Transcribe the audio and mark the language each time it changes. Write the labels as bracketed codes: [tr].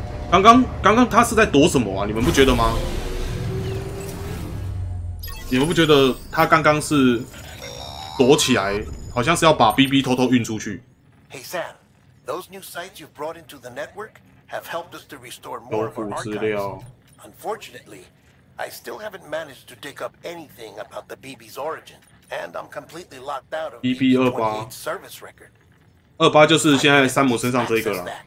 [zh] 刚刚他是在躲什么啊？你们不觉得吗？你们不觉得他刚刚是躲起来，好像是要把 BB 偷偷运出去 [en] ？Hey Sam, those new sites you brought into the network have helped us to restore more of our archives. Unfortunately, I still haven't managed to dig up anything about the BB's origin, and I'm completely locked out of BB 28's service record. [zh] 28就是现在山姆身上这一个了。